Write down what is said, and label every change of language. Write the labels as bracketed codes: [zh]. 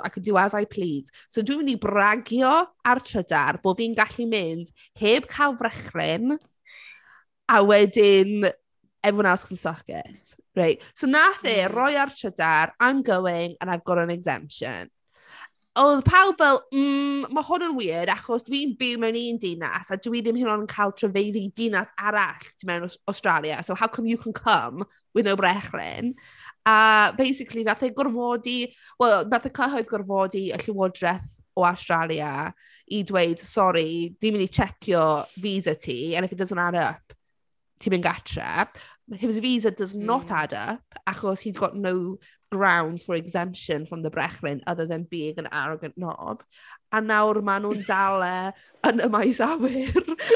[cy] I could do as I please. So dwi'n mynd i bragio ar trydar bod fi'n gallu mynd heb cael frechlyn a wedyn everyone else can suck it. Right. [en] So nath e, roi ar trydar, I'm going and I've got an exemption. [cy] Oedd pawb fel, mae hwn yn weird achos dwi'n byw mewn un dinas a dwi ddim hyn o'n cael trafeili dinas arall mewn Australia. [en] So how come you can come with no brechlyn? [cy] Basically, nath e'n gorfodi, well, nath e'n cyhoedd gorfodi y Llywodraeth o Australia i dweud, sorry, ddim yn i checio visa ti, and if it doesn't add up, ti'n mynd gatre. [en] His visa does not add up, achos he's got no grounds for exemption from the brechlyn, other than being an arrogant knob. [cy] A nawr ma' nhw'n dal e yn y maes awyr.